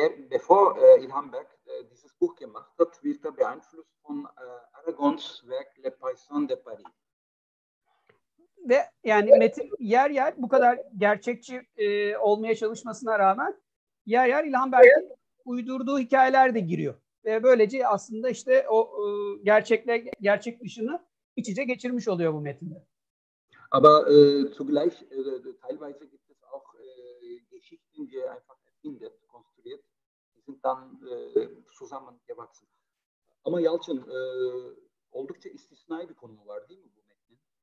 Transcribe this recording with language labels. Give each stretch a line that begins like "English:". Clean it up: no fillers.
German: Bevor Ilhan Berk dieses Buch gemacht hat, wird er beeinflusst von Aragons Werk Le Paysan de Paris.
Turkish: Ve yani metin yer yer bu kadar gerçekçi olmaya çalışmasına rağmen yer yer İlhan Berk'in uydurduğu hikayeler de giriyor. Ve böylece aslında işte o gerçek dışını iç içe geçirmiş oluyor bu metinde.
German: Aber zugleich teilweise gibt es auch Geschichten, die einfach erfindet, konstruiert, die sind dann zusammen gewachsen.
Turkish: Ama Yalçın, oldukça istisnai bir konu var değil mi bu metnin?